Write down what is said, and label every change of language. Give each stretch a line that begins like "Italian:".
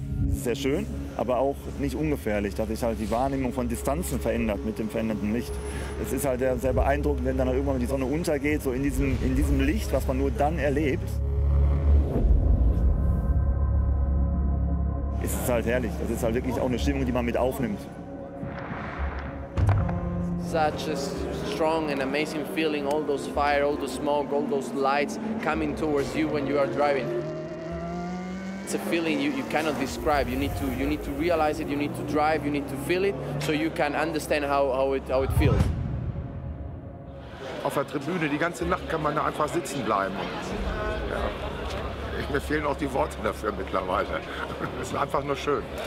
German: Sehr schön, aber auch nicht ungefährlich, dass sich halt die Wahrnehmung von Distanzen verändert mit dem veränderten Licht. Es ist halt sehr beeindruckend, wenn dann halt irgendwann die Sonne untergeht, so in diesem Licht, was man nur dann erlebt. Es ist halt herrlich. Das ist halt wirklich auch eine Stimmung, die man mit aufnimmt.
English: Such a strong and amazing feeling, all those fire, all the smoke, all those lights coming towards you when you are driving. It's a feeling you cannot describe. You need to realize it, you need to drive, you need to feel it, so you can understand how it feels.
German: Auf der Tribüne, die ganze Nacht kann man da einfach sitzen bleiben. Ja. Mir fehlen auch die Worte dafür mittlerweile. Es ist einfach nur schön.